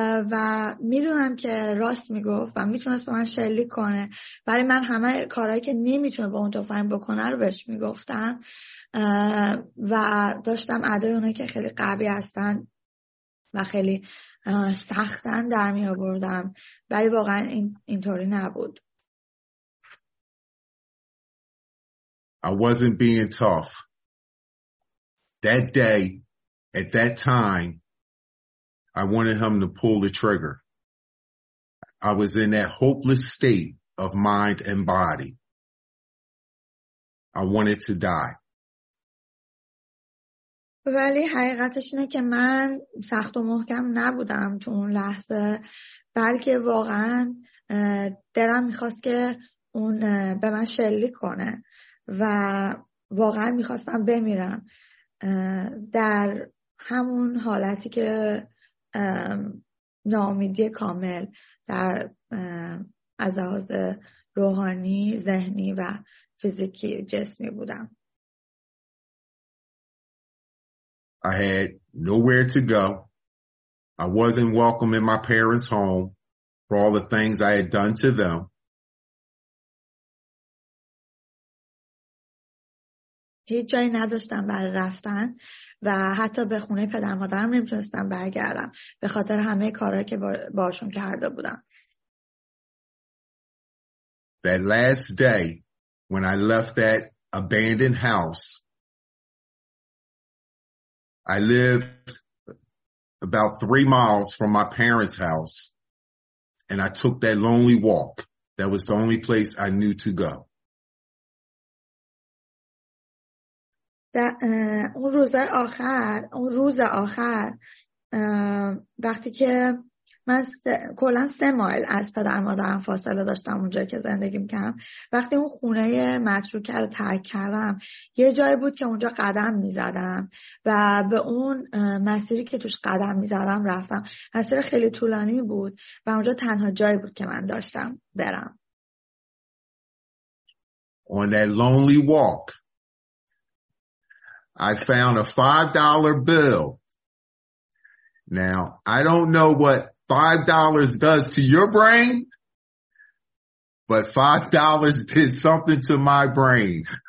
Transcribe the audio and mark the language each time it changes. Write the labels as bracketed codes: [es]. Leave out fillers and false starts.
[fa] و میدونم که راست میگفت و میتونست با من شلیک کنه، ولی من همه کارهایی که نمیتونه با اون تفنگ بکنه رو بهش میگفتم و داشتم ادای اونایی که خیلی قوی هستن و خیلی سختن در میآوردم، ولی واقعا اینطوری نبود. [en] I wasn't being tough that day. At that time I wanted him to pull the trigger. I was in that hopeless state of mind and body. I wanted to die. [fa] ولی حقیقتش اینه که من سخت و محکم نبودم تو اون لحظه، بلکه واقعا دلم میخواست که اون به من شلیک کنه و واقعا میخواستم بمیرم در همون حالتی که ناامیدی کامل در از لحاظ روحانی، ذهنی و فیزیکی جسمی بودم. [en] I had nowhere to go. I wasn't welcome in my parents' home for all the things I had done to them. [fa] هیچ جایی نداشتم برای رفتن و حتی به خونه پدر مادرم نمیتونستم برگردم به خاطر همه کارهایی که باشون کرده بودم. [en] That last day when I left that abandoned house, I lived about 3 miles from my parents' house and I took that lonely walk. That was the only place I knew to go. [fa] اون روز آخر، وقتی که من کلاً 3 مایل از پدر مادرم فاصله داشتم اونجا که زندگی میکردم، وقتی اون خونه متروکه رو ترک کردم، یه جایی بود که اونجا قدم میزدم و به اون مسیری که توش قدم میزدم رفتم. مسیر خیلی طولانی بود و اونجا تنها جایی بود که من داشتم برم. [en] On that lonely walk I found a $5 bill. Now, I don't know what $5 does to your brain, but $5 did something to my brain.